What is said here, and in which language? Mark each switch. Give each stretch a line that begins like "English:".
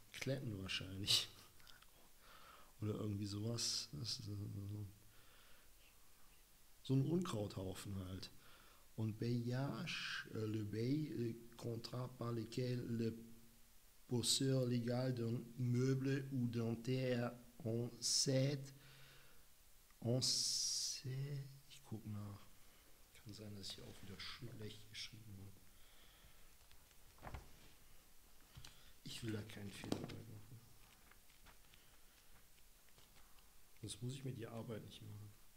German: Kletten wahrscheinlich. Oder irgendwie sowas. Das ist so ein Unkrauthaufen halt. Und
French: Bailliage, le bail, le contrat par lequel le possesseur légal d'un immeuble ou d'un terre en cède.
German: Ich gucke nach. Kann sein, dass ich auch wieder schlecht geschrieben habe. Ich will da keinen Fehler mehr machen. Das muss ich mir die Arbeit nicht machen.